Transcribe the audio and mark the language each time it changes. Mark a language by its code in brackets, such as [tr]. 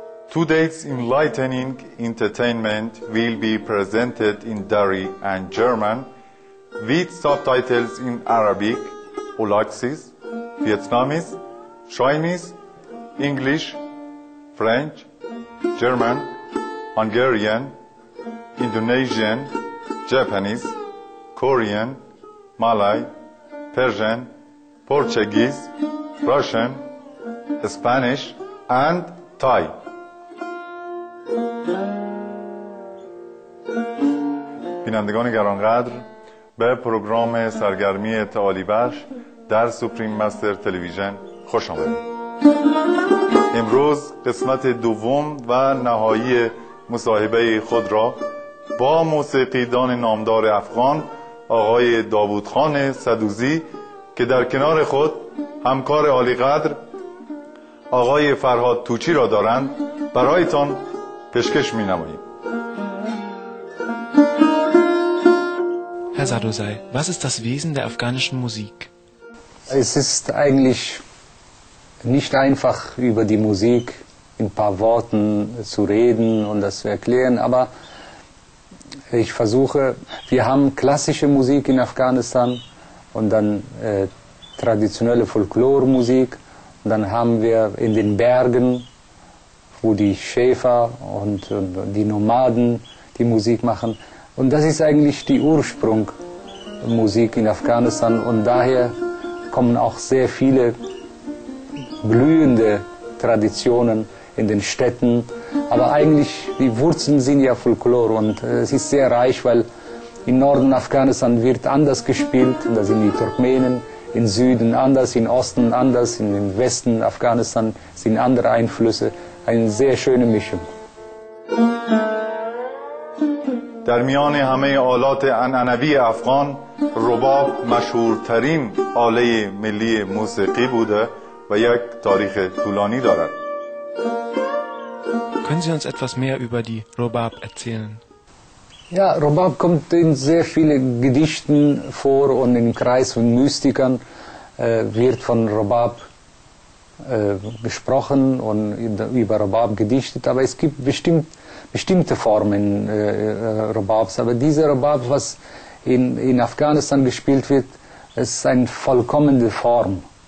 [en] Today's enlightening entertainment will be presented in Dari and German with subtitles in Arabic, Oloxis, Vietnamese, Chinese, English, French, German, Hungarian, Indonesian, Japanese, Korean, Malay, Persian, Portuguese, Russian, Spanish, and Thai. [fa] بینندگان گرانقدر به پروگرام سرگرمی تعالی بخش در سوپریم مستر تلویزیون خوش آمدید. امروز قسمت دوم و نهایی مصاحبه خود را با موسیقیدان نامدار افغان آقای داوود خان صدوزی که در کنار خود همکار عالی قدر آقای فرهاد توچی را دارند برایتان پیشکش می نماییم. [de] Herr Sadozai, was ist das Wesen der afghanischen Musik? Es ist eigentlich nicht einfach, über die Musik in ein paar Worten zu reden und das zu erklären, aber ich versuche, wir haben klassische Musik in Afghanistan und dann traditionelle Folkloremusik und dann haben wir in den Bergen, wo die Schäfer und die Nomaden die Musik machen. Und das ist eigentlich die Ursprung der Musik in Afghanistan und daher kommen auch sehr viele blühende Traditionen in den Städten. Aber eigentlich, die Wurzeln sind ja Folklore und es ist sehr reich, weil im Norden Afghanistan wird anders gespielt, da sind die Turkmenen, im Süden anders, im Osten anders, im Westen Afghanistan sind andere Einflüsse, eine sehr schöne Mischung. [fa] در میان همه آلات عنعنوی افغان رباب مشهورترین آله ملی موسیقی بوده و یک تاریخ طولانی دارد. [de] Können Sie uns etwas mehr über die Rubab erzählen? Ja, Rubab kommt in sehr vielen Gedichten vor und im Kreis von Mystikern wird von Rubab gesprochen und über Rubab gedichtet, aber es gibt bestimmte Formen Rubabs, aber dieser Rubab, was in Afghanistan gespielt wird, ist eine vollkommene Form.